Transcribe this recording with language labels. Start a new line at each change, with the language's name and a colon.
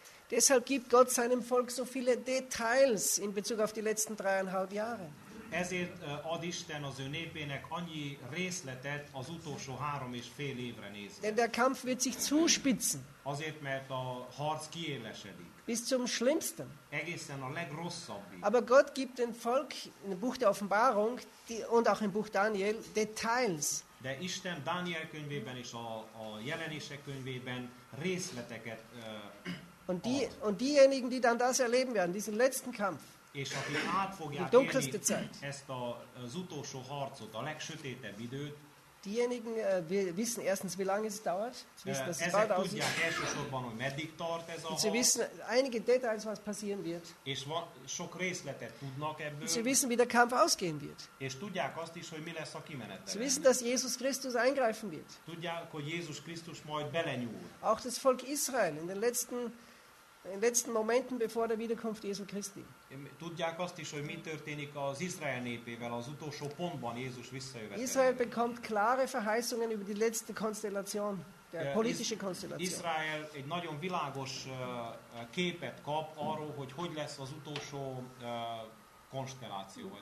German: Deshalb gibt Gott seinem Volk so viele Details in Bezug auf die letzten 3,5 Jahre.
Hungarian: Ezért ad Isten az ő népének annyi részletet az utolsó 3,5 évre nézve.
German: Denn der Kampf wird sich zuspitzen.
Hungarian: Azért, mert a harc kiélesedik.
German: Bis zum Schlimmsten.
Hungarian: Egészen a legrosszabbig.
German: Aber Gott gibt dem Volk im Buch der Offenbarung und auch im Buch Daniel Details.
Hungarian: De Isten Daniel könyvében és a jelenések könyvében részleteket
German: und die,
Hungarian: ad.
German: Und diejenigen, die dann das erleben werden, diesen letzten Kampf,
Hungarian: és akik át fogják élni ezt az utolsó harcot, a legsötétebb időt,
German: diejenigen wissen erstens, wie lange es dauert.
Hungarian: Ezek tudják elsősorban, hogy meddig tart ez a harc.
German: Sie wissen einige Details, was passieren wird.
Hungarian: És sok részletet tudnak ebből.
German: Sie wissen, wie der Kampf ausgehen wird.
Hungarian: És tudják azt is, hogy mi lesz a kimenetele.
German: Sie wissen, dass Jesus Christus eingreifen wird.
Hungarian: Tudják, hogy Jézus Krisztus majd belenyúl.
German: Auch das Volk Israel in den letzten Momenten bevor der Wiederkunft Jesu Christi.
Hungarian: Tudják azt is, hogy mi történik az Izrael népével az utolsó pontban Jézus visszajövetelével.
German: Israel bekommt klare Verheißungen über die letzte Konstellation, der politische Konstellation.
Hungarian: Israel egy nagyon világos képet kap arról, hogy hogy lesz az utolsó konstelláció.